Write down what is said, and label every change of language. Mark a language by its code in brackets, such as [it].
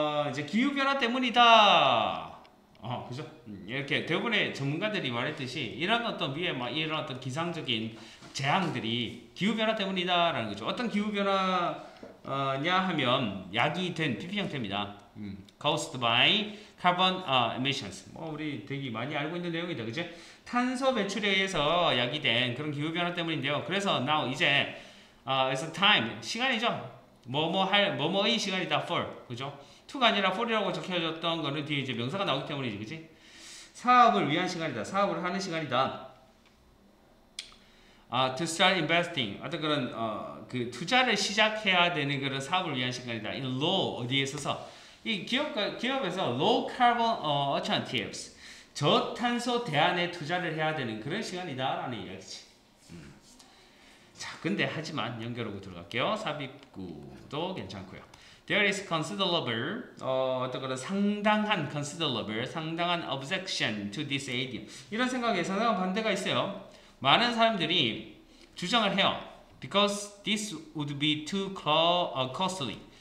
[ko] 이제 기후 변화 때문이다. 그죠? 이렇게 대부분의 전문가들이 말했듯이 이런 어떤 위에 막 이런 어떤 기상적인 재앙들이 기후변화 때문이다 라는 거죠. 어떤 기후변화냐 하면 약이 된 PP 형태입니다. [en] Caused by carbon emissions. [ko] 뭐 우리 되게 많이 알고 있는 내용이다, 그치? 탄소 배출에 의해서 약이 된 그런 기후변화 때문인데요. 그래서 now 이제 [en] it's a time, [ko] 시간이죠. 뭐뭐의 시간이다, for, 그죠? to가 아니라 for이라고 적혀졌던 거는 뒤에 이제 명사가 나오기 때문이지, 그치? 사업을 위한 시간이다, 사업을 하는 시간이다. [en] To start investing. [ko] 어떤 그런, 투자를 시작해야 되는 그런 사업을 위한 시간이다. [en] In low, [ko] 어디에 있어서. 이 기업에서 [en] low carbon alternatives. [ko] 저탄소 대안에 투자를 해야 되는 그런 시간이다. 라는 이야기지. 자, 근데, 하지만, 연결하고 들어갈게요. 삽입구도 괜찮고요. [en] There is considerable, [ko] 어떤 그런 상당한 [en] considerable, 상당한 objection to this idea. [ko] 이런 생각에 상당한 반대가 있어요. 많은 사람들이 주장을 해요. [en] Because this would be too costly.